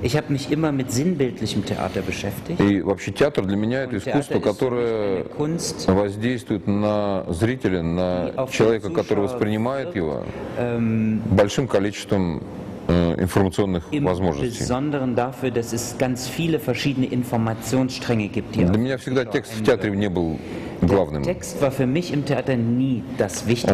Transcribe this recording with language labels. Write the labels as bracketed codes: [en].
[de] Ich habe mich immer mit sinnbildlichem Theater beschäftigt. [ru] И вообще театр для меня это искусство, которое воздействует на зрителя, на человека, который воспринимает его большим количеством информационных возможностей. [de] Besonderen dafür, dass es ganz viele verschiedene Informationsstränge gibt hier. [ru] Для меня всегда текст в театре не был главным. [de] Der Text war für mich im Theater nie das Wichtigste.